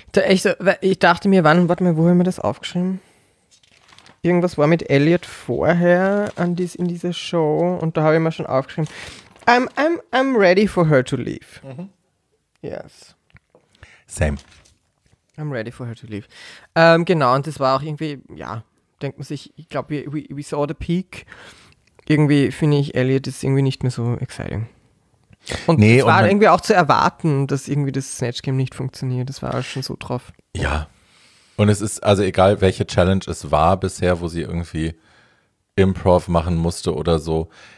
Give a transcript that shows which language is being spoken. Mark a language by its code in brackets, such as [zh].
[de] Ich dachte mir, wo haben wir das aufgeschrieben? Irgendwas war mit Elliot vorher in dieser Show und da habe ich mir schon aufgeschrieben. [en] I'm ready for her to leave. Mhm. Yes. Same. I'm ready for her to leave. [de] Genau, und das war auch irgendwie, ja, denkt man sich, ich glaube, [en] we saw the peak. [de] Irgendwie finde ich, Elliot ist irgendwie nicht mehr so exciting. Und nee, es war irgendwie auch zu erwarten, dass irgendwie das Snatch Game nicht funktioniert. Das war alles schon so drauf. Ja. Und es ist, also egal, welche Challenge es war bisher, wo sie irgendwie Improv machen musste oder so.